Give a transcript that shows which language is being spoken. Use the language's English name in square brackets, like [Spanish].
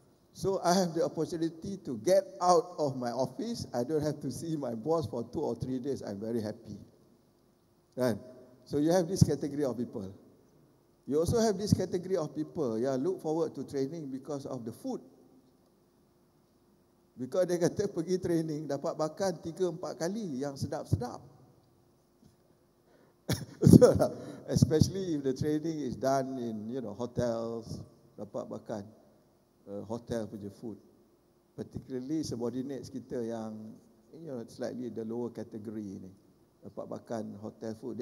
[English] So I have the opportunity to get out of my office. I don't have to see my boss for 2 or 3 days. I'm very happy. [Malay] Kan? [English] So you have this category of people. You also have this category of people yang look forward to training because of the food. Because [Malay] dia kata pergi training dapat makan 3-4 kali yang sedap-sedap. [English] So, especially if the training is done in, you know, hotels, [Malay] dapat makan hotel punya [English] food. Particularly subordinates kita yang, you know, slightly the lower category ni, [Malay] dapat makan [English] hotel food.